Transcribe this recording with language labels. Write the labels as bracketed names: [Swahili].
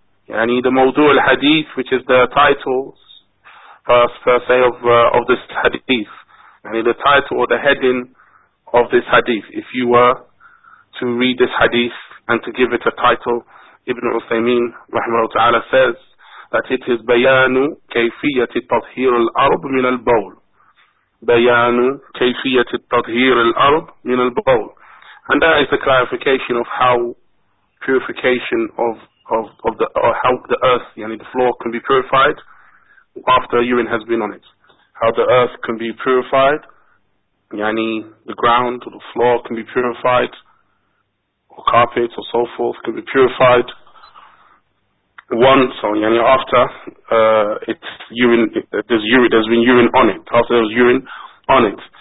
[English] Yani the Mawdu' al-Hadith, which is the title, of this Hadith. Yani the title or the heading of this Hadith. If you were to read this Hadith and to give it a title, Ibn Uthaymeen, rahimahullah ta'ala, says that it is Bayanu Kayfiyyat Tathhir al-Ard min al-Bawl. [Arabic] بيان كيفية التطهير الأرض من البول. [English] And that is the clarification of how purification of the or how the earth, yani the floor, can be purified after urine has been on it. How the earth can be purified, yani the ground or the floor can be purified, or carpets or so forth can be purified once, or yani after it's urine, there's been urine on it, after there's urine on it.